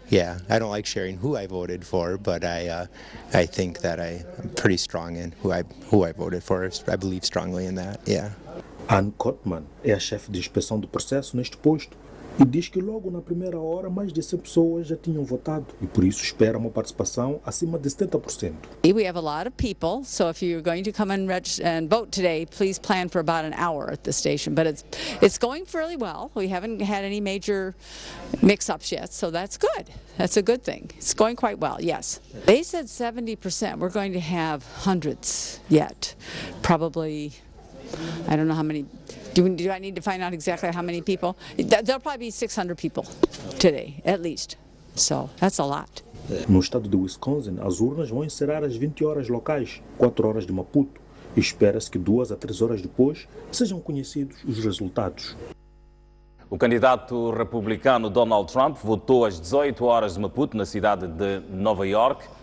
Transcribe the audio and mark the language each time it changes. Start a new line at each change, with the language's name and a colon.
English: Yeah, I don't like sharing who I voted for, but I think that I'm pretty strong in who I voted for. I believe strongly in that. Yeah.
Portuguese: Ann Cotman é a chefe de inspeção do processo neste posto. E diz que logo na primeira hora mais de 100 pessoas já tinham votado e por isso espera uma participação acima de 70%.
English: We have a lot of people, so if you're going to come and register and vote today, please plan for about an hour at the station, but it's going fairly well. We haven't had any major mix-ups yet, so that's good. That's a good thing. It's going quite well. Yes. They said 70%. We're going to have hundreds yet. Probably I don't know how many. Do I need to find out exactly how many people? There'll probably be 600 people today, at least. So, that's a lot.
Portuguese: No estado de Wisconsin, as urnas vão encerrar às 20 horas locais, 4 horas de Maputo. Espera-se que 2 a 3 horas depois sejam conhecidos os resultados. O candidato republicano Donald Trump votou às 18 horas de Maputo, na cidade de Nova York.